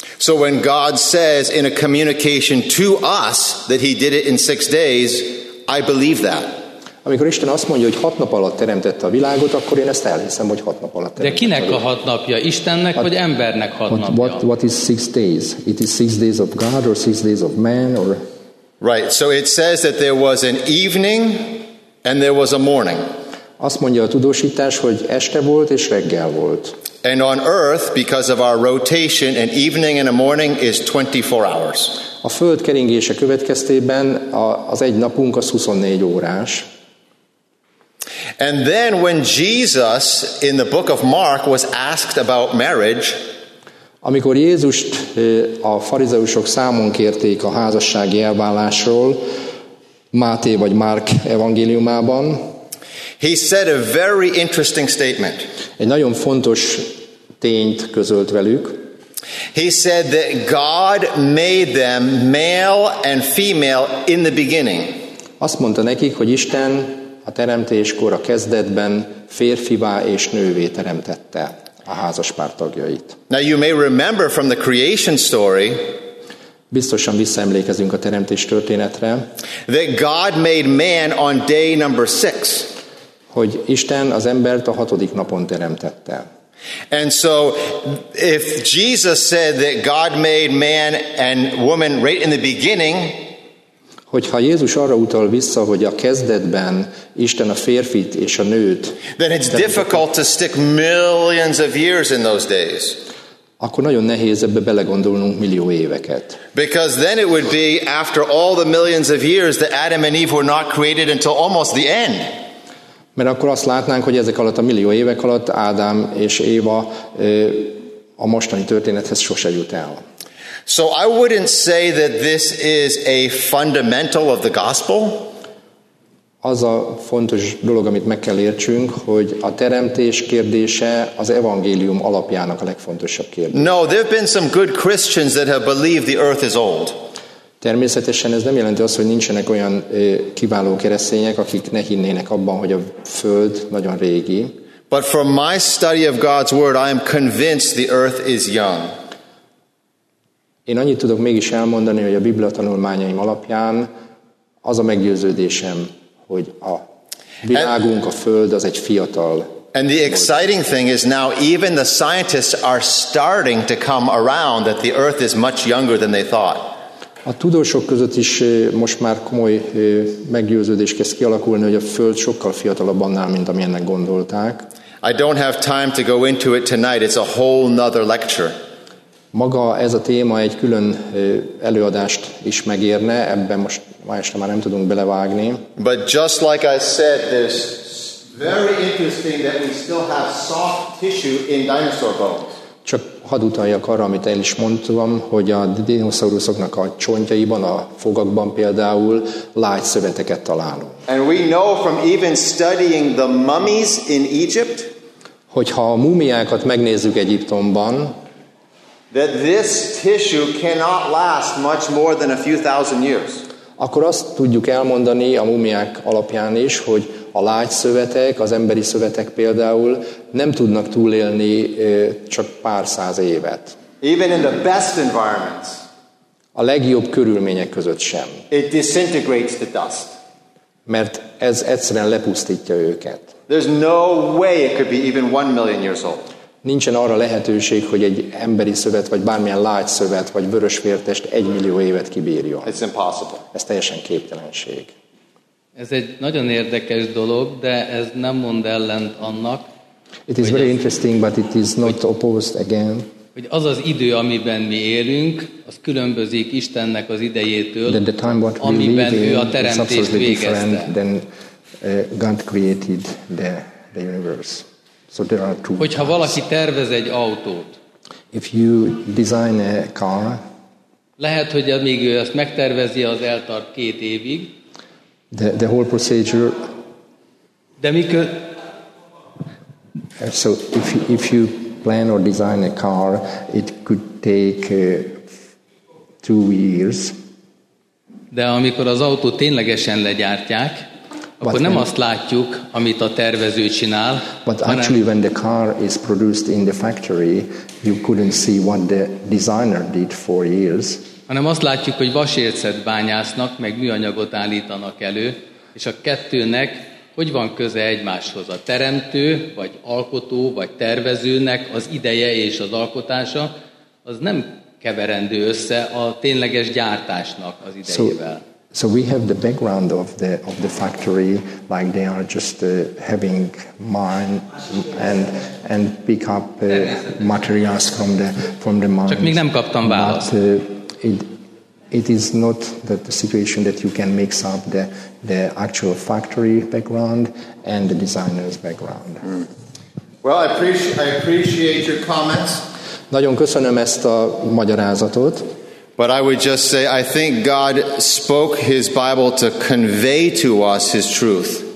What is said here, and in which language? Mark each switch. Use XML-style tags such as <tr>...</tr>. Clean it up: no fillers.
<en>So when God says in a communication to us that He did it in 6 days, I believe that.</en> <hu>Amikor Isten azt mondja, hogy 6 nap alatt teremtette a világot, akkor én ezt elhiszem, hogy 6 nap alatt teremtette. De kinek a 6 napja? Istennek vagy embernek 6 napja?</hu> <en>What is 6 days? It is 6 days of God or 6 days of man or? Right. So it says that there was an evening and there was a morning.</en> <hu>Azt mondja a tudósítás, hogy este volt és reggel volt.</hu> <en>And on earth, because of our rotation, an evening and a morning is 24 hours.</en> <hu>A föld keringése következtében az egy napunk az 24 órás.</hu> <en>And then when Jesus in the book of Mark was asked about marriage,</en> <hu>amikor Jézust a farizeusok számon kérték a házassági elválásról, Máté vagy Márk evangéliumában,</hu> <en>he said a very interesting statement.</en> <hu>Egy nagyon fontos tényt közölt velük.</hu> <en>He said that God made them male and female in the beginning.</en> <hu>Azt mondta nekik, hogy Isten a teremtéskor a kezdetben férfivá és nővé teremtette a házaspár tagjait.</hu> <en>Now you may remember from the creation story,</en> <hu>biztosan visszaemlékezünk a teremtés történetre,</hu> <en>that God made man on day number six,</en> <hu>hogy Isten az embert a hatodik napon teremtette.</hu> <en>And so if Jesus said that God made man and woman right in the beginning,</en> <hu>hogyha Jézus arra utal vissza, hogy a kezdetben Isten a férfit és a nőt,</hu> <en>then it's difficult to stick millions of years in those days.</en> <hu>Akkor nagyon nehéz ebbe belegondolnunk millió éveket.</hu> <en>Because then it would be after all the millions of years that Adam and Eve were not created until almost the end.</en> <hu>Mert akkor azt látnánk, hogy ezek alatt a millió évek alatt Ádám és Éva a mostani történethez sose jut el.</hu> <en>So I wouldn't say that this is a fundamental of the gospel.</en> <hu>Az a fontos dolog, amit meg kell értsünk, hogy a teremtés kérdése az evangélium alapjának a legfontosabb kérdése.</hu> <en>No, there have been some good Christians that have believed the earth is old.</en> <hu>Természetesen ez nem jelenti azt, hogy nincsenek olyan kiváló keresztények, akik ne hinnének abban, hogy a Föld nagyon régi.</hu> <en>But from my study of God's word, I am convinced the earth is young.</en> <hu>Én annyit tudok mégis elmondani, hogy a Biblia tanulmányaim alapján az a meggyőződésem, hogy a világunk, a Föld az egy fiatal.</hu> <en>And the exciting thing is now even the scientists are starting to come around that the earth is much younger than they thought.</en> <hu>A tudósok között is most már komoly meggyőződés kezd kialakulni, hogy a Föld sokkal fiatalabb annál, mint amilyennek gondolták.</hu> <en>I don't have time to go into it tonight. It's a whole nother lecture.</en> <hu>Maga ez a téma egy külön előadást is megérne, ebben most másra már nem tudunk belevágni.</hu> <en>But just like I said, it's very interesting that we still have soft tissue in dinosaur bones.</en> <hu>Csak hadd utaljak arra, amit el is mondtam, hogy a dinoszauruszoknak a csontjaiban, a fogakban például lágy szöveteket találunk.</hu> <en>And we know from even studying the mummies in Egypt,</en> <hu>hogyha a múmiákat megnézzük Egyiptomban,</hu> <en>that this tissue cannot last much more than a few thousand years.</en> <hu>Akkor azt tudjuk elmondani a múmiák alapján is, hogy a lágy szövetek, az emberi szövetek például nem tudnak túlélni csak pár száz évet.</hu> <en>Even in the best environments.</en> <hu>A legjobb körülmények között sem.</hu> <en>It disintegrates the dust.</en> <hu>Mert ez egyszerűen lepusztítja őket.</hu> <en>There's no way it could be even 1 million years old.</en> <hu>Nincsen arra lehetőség, hogy egy emberi szövet, vagy bármilyen lágy szövet, vagy vörös vértest 1 millió évet kibírjon.</hu> <en>It's impossible.</en> <hu>Ez teljesen képtelenség. Ez egy nagyon érdekes dolog, de ez nem mond ellent annak.</hu> <en>It is very interesting, but it is not opposed again.</en> <hu>Hogy az az idő, amiben mi élünk, az különbözik Istennek az idejétől,</hu> <en>the time what we</en> <hu>amiben</hu> <en>live</en> <hu>ő a teremtést</hu> <en>is absolutely</en> <hu>végezte.</hu> <en>Different than God created the universe. So there are two.</en> <hu>Hogyha</hu> <en>cars.</en> <hu>Valaki tervez egy autót,</hu> <en>if you design a car,</en> <hu>lehet, hogy amíg ő ezt megtervezi, az eltart 2 évig.</hu> <en>The whole procedure.</en> <hu>De mikor?</hu> <en>So if you plan or design a car, it could take 2 years.</en> <hu>De amikor az autó ténylegesen legyártják, akkor</hu> <en>but</en> <hu>nem</hu> <en>when,</en> <hu>azt látjuk, amit a tervező csinál.</hu> <en>But actually when the car is produced in the factory, you couldn't see what the designer did for years.</en> <hu>Hanem azt látjuk, hogy vasércet bányásznak, meg műanyagot állítanak elő, és a kettőnek hogy van köze egymáshoz? A teremtő, vagy alkotó, vagy tervezőnek az ideje és az alkotása, az nem keverendő össze a tényleges gyártásnak az idejével.</hu> <en>So we have the background of the factory, like they are just having mine and pick up materials from the mine.</en> <hu>Csak még nem kaptam választ.</hu> <en>But it is not that the situation that you can mix up the actual factory background and the designer's background. Well, I appreciate your comments.</en> <hu>Nagyon köszönöm ezt a magyarázatot.</hu> <en>But I would just say, I think God spoke his Bible to convey to us his truth.</en>